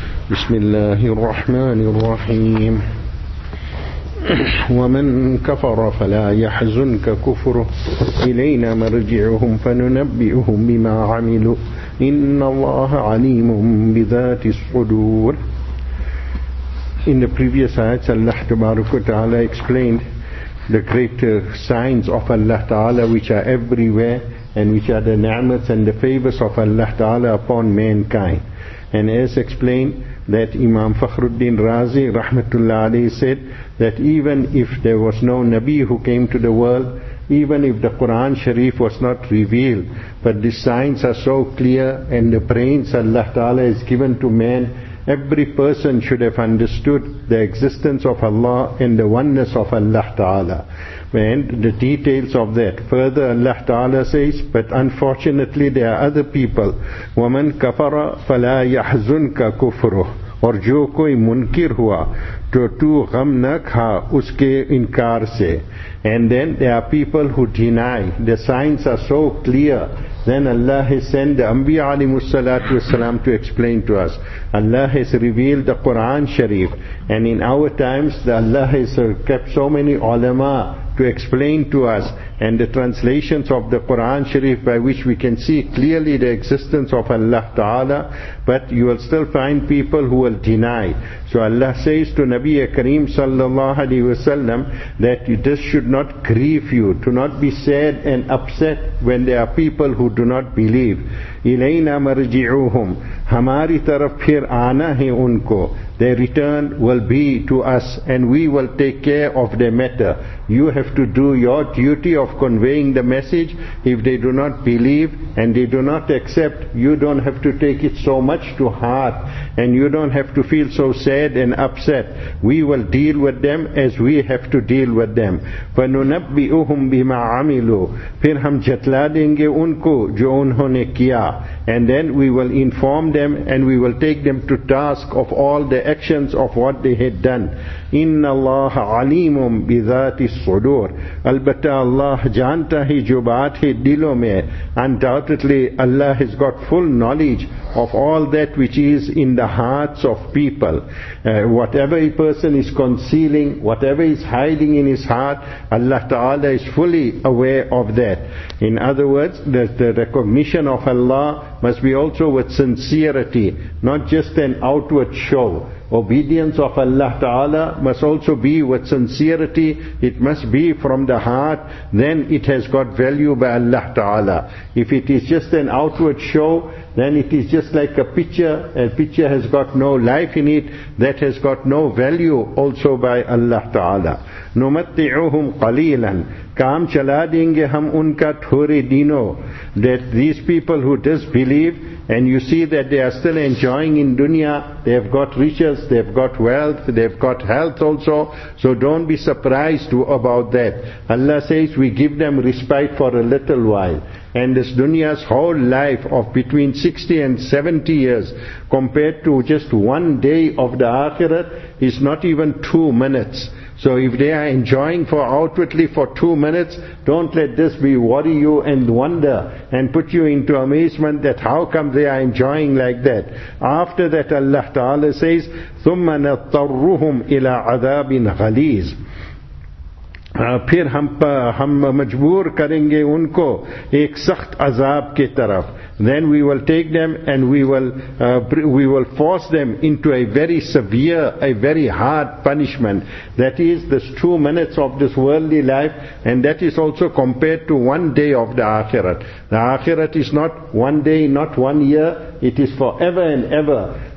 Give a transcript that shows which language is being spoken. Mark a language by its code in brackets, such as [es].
[ar] بسم الله الرحمن الرحيم. ومن كفر فلا يحزنك كفره، إلينا مرجعهم فننبئهم بما عملوا، إن الله عليم بذات الصدور. [en] In the previous ayats, Allah Tabaraka Ta'ala explained the greater signs of Allah Ta'ala, which are everywhere and which are the ni'mats and the favors of Allah Ta'ala upon mankind. And as explained, that Imam Fakhruddin Razi Rahmatullah Alayhi said that even if there was no Nabi who came to the world, even if the Quran Sharif was not revealed, but the signs are so clear and the brains Allah Ta'ala has given to man, every person should have understood the existence of Allah and the oneness of Allah Ta'ala. And the details of that. Further Allah Ta'ala says, but unfortunately there are other people. [ar] وَمَنْ كَفَرَ فَلَا يَحْزُنْكَ كُفْرُهُ [ur] اور جو کوئی منکر ہوا تو تو غم نہ کھا اس کے انکار سے. [en] And then there are people who deny. The signs are so clear. Then Allah has sent the Anbiya alayhi salatu wasalam to explain to us. Allah has revealed the Quran Sharif. And in our times, Allah has kept so many ulama to explain to us. And the translations of the Quran Sharif by which we can see clearly the existence of Allah Ta'ala. But you will still find people who will deny. So Allah says to Nabi Kareem sallallahu alayhi wasallam that this should not grieve you. Do not be sad and upset when there are people who do not believe. [ar] إِلَيْنَا مَرْجِعُوهُمْ [ur] ہماری طرف پھر آنا ہے ان کو. [en] Their return will be to us and we will take care of their matter. You have to do your duty of conveying the message. If they do not believe and they do not accept, you don't have to take it so much to heart and you don't have to feel so sad and upset. We will deal with them as we have to deal with them. [ar] فَنُنَبِّئُهُمْ بِمَا عَمِلُوا [ur] پھر ہم جتلا دیں گے ان کو جو انہوں نے کیا. [en] And then we will inform them and we will take them to task of all the actions of what they had done. [ar] إِنَّ اللَّهَ عَلِيمٌ بِذَاتِ الصُّدُورِ [ur] البتہ اللہ جانتا ہے جو بات ہے دلوں میں. [en] Undoubtedly Allah has got full knowledge of all that which is in the hearts of people. Whatever a person is concealing, whatever is hiding in his heart, Allah Ta'ala is fully aware of that. In other words, the recognition of Allah must be also with sincerity, not just an outward show. Obedience of Allah Ta'ala must also be with sincerity. It must be from the heart. Then it has got value by Allah Ta'ala. If it is just an outward show, then it is just like a picture. A picture has got no life in it. That has got no value also by Allah Ta'ala. [ar] نُمَتِّعُهُمْ قَلِيلًا [ur] کام چلا دیں گے ہم ان کا تھوڑے دینوں. [en] That these people who disbelieve, and you see that they are still enjoying in dunya, they have got riches, they have got wealth, they have got health also, so don't be surprised about that. Allah says, we give them respite for a little while. And this dunya's whole life of between 60 and 70 years compared to just one day of the akhirat is not even 2 minutes. So if they are enjoying for outwardly for 2 minutes, don't let this be worry you and wonder and put you into amazement that how come they are enjoying like that. After that Allah Ta'ala says, [ar] ثُمَّ نَضْطَرُّهُمْ إِلَىٰ عَذَابٍ غَلِيظٍ [ur] پھر ہم مجبور کریں گے ان کو ایک سخت عذاب کے طرف. [en] Then we will take them and we will force them into a very severe, a very hard punishment. That is this 2 minutes of this worldly life, and that is also compared to one day of the akhirat. The akhirat is not one day, not 1 year, it is forever and ever.